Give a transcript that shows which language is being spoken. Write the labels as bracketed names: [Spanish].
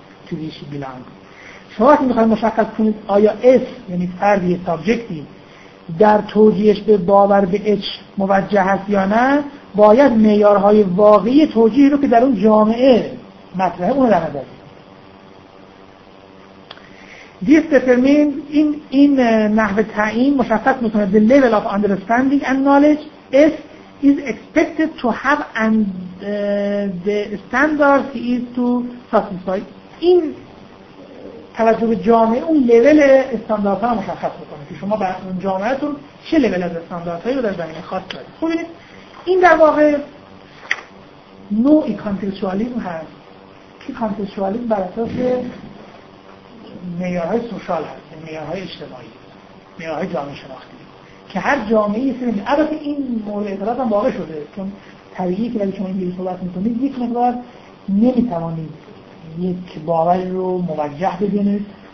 [Persian] چیزیشی بلانگ شما که میخواییم مشخص کنید آیا اس یعنی فردی سابجکتی در توجیهش به باور به اچ موجه هست یا نه، باید معیارهای واقعی توجیه رو که در اون جامعه مطرحه اون رو در نظر بگیرید. [English] This determines [Persian] این نحوه تعیین مشخص میکنه [English] the level of understanding and knowledge S is expected to have and the standards he is to satisfy. [Persian] این توجه به جامعه اون لول استانداردها رو مشخص میکنه که شما به اون جامعتون چه لول از استانداردهایی رو در بین خاص دارید. خب ببینید این در واقع نوعی کانتکستوالیسم هست که کانتکستوالیسم بر اساس معیارهای سوشال هست، معیارهای اجتماعی، معیارهای جامعه شناختی که هر جامعه یه سری البته این مورد اعتراض هم واقع شده چون طبیعیه که وقتی شما اینجوری صحبت میکنید یک مقدار نمیتوانید یک باور رو موجه ببینید